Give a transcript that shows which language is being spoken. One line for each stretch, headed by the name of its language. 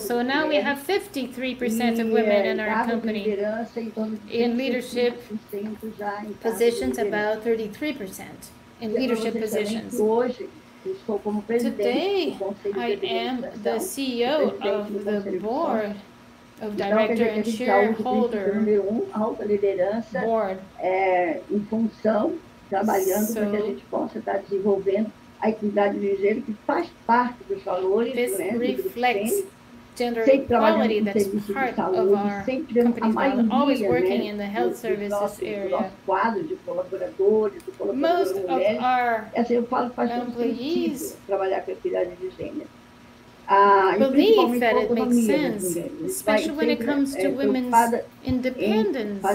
English: So now we have 53% of women in our company, in leadership positions about 33% in leadership positions. Today, I am the CEO of the board of director and shareholder board.
Portuguese: Em função, trabalhando para que a gente possa estar desenvolvendo a equidade de gênero, que faz parte dos valores,
English: this né, reflects gender equality that's part of our company's world, always working in the health services area. Most of our employees believe that it makes sense, especially when it comes to women's independence.